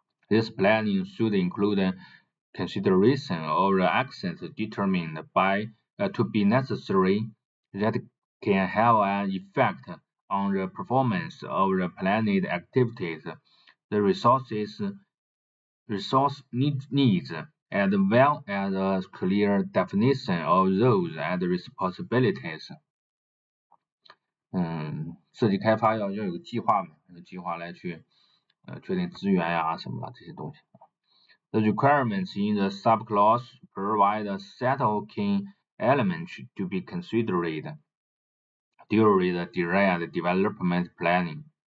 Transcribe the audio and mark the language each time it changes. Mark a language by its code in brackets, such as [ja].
[en] This planning should include consideration of the actions determined by to be necessary that can have an effect on the performance of the planned activities, the resource needs, as well as a clear definition of roles and responsibilities. [zh] 设计开发要有个计划嘛，有个计划来去确定资源呀、啊、什么的这些东西。 [en] The requirements in the subclause provide a set of key elements to be considered during the design and development planning.